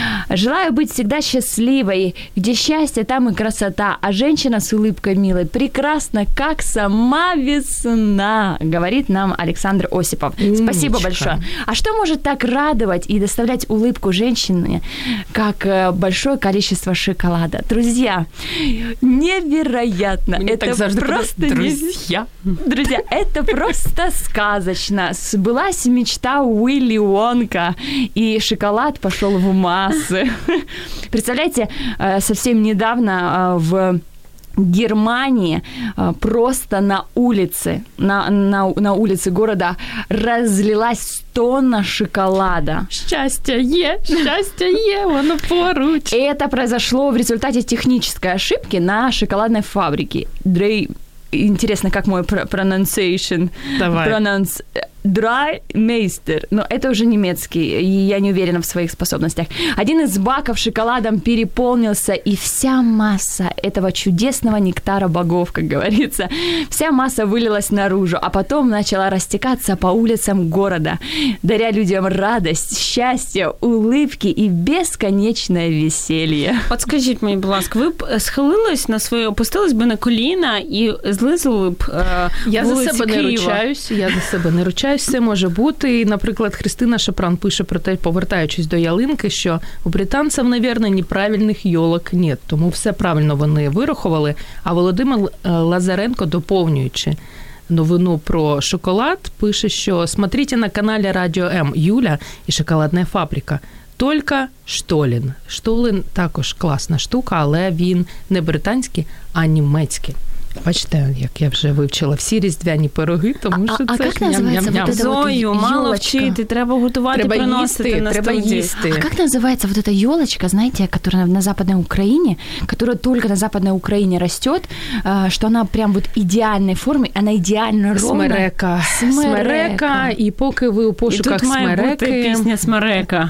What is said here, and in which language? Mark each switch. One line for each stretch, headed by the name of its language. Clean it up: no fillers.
Russian: Желаю
Ukrainian: бути завжди щасливою, де щастя, там і красота, а жінка з
Russian: улыбкой милой
Ukrainian: прекрасна, як сама весна, говорить нам Олександр Осипов.
Russian: Спасибо большое.
Ukrainian: А що може так радувати і доставляти улыбку жінці, як
Russian: большое количество шоколада?
Ukrainian: Друзі,
Russian: невероятно.
Ukrainian: так завжди просто
Russian: друзья. Друзья, это просто сказочно. Сбылась мечта Уилли Уонка, и шоколад пошел в массы. Представляете, совсем недавно в Германии просто на улице, на улице города разлилась тонна шоколада. Счастье, оно поруч. Это произошло в результате технической ошибки на шоколадной фабрике. Дрей, интересно, как мой
English: pronunciation?
Russian: Давай. Драймейстер. Но это уже немецкий, и я не уверена в своих способностях. Один из баков шоколадом переполнился, и вся масса этого чудесного нектара богов, как говорится, вся масса вылилась наружу, а потом начала растекаться по улицам города, даря людям радость, счастье, улыбки и бесконечное веселье. Подскажите,
Ukrainian: мені, будь ласка, ви б схилилась на своє, опустилась би на коліна і злизали б Я за себе не ручаюсь. Часть це може бути. І, наприклад, Христина Шапран пише про те, повертаючись до ялинки, що у британців, мабуть, неправильних йолок
Russian: нет.
Ukrainian: Тому все правильно вони вирахували. А Володимир Лазаренко, доповнюючи новину про шоколад, пише, що
Russian: «смотрите
Ukrainian: на каналі Радіо М Юля і шоколадна фабрика». Тільки Штолін. Штолін також класна штука, але він не британський, а німецький. Бачите, як я вже вивчила всі різдвяні пироги, тому що а це як ням-ням-ням. Зою, мало вчити, треба готувати, треба приносити їсти, на треба студію. Їсти. А як називається
Russian: вот эта ёлочка, знаете, которая на Западной Украине, которая только на Западной Украине растёт, что она прям вот идеальной формы, она идеально ровна.
Ukrainian: Смерека. І поки ви у пошуках смереки... І тут має бути пісня «Смерека».